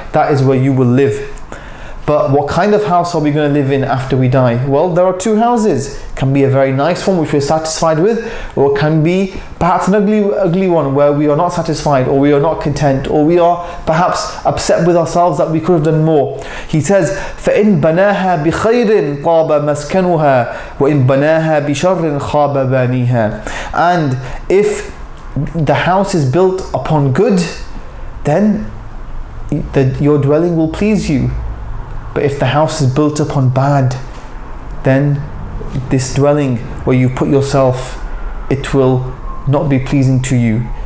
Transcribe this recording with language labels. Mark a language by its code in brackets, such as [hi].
[en] That is where you will live. But what kind of house are we going to live in after we die? Well, there are two houses. It can be a very nice one which we're satisfied with, or it can be perhaps an ugly one where we are not satisfied, or we are not content, or we are perhaps upset with ourselves that we could have done more. He says, [ar] فَإِن بَنَاهَا بِخَيْرٍ قَابَ مَسْكَنُهَا وَإِن بَنَاهَا بِشَرٍ خَابَ بَانِيهَا. [en] And if the house is built upon good, then your dwelling will please you. But if the house is built upon bad, then this dwelling where you put yourself, it will not be pleasing to you.